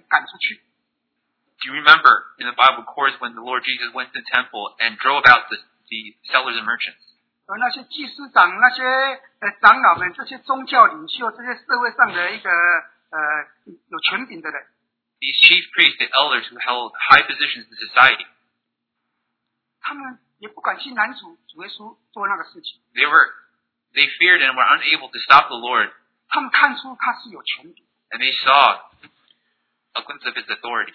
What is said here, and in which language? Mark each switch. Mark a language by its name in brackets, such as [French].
[English] Do you remember in the Bible course when the Lord Jesus went to the temple and drove out the sellers and merchants? [Chinese] 那些祭司长，那些长老们，这些宗教领袖，这些社会上的一个有权柄的人。 [English] These chief priests, the elders who held high positions in society, they feared and were unable to stop the Lord. And they saw a glimpse of his authority.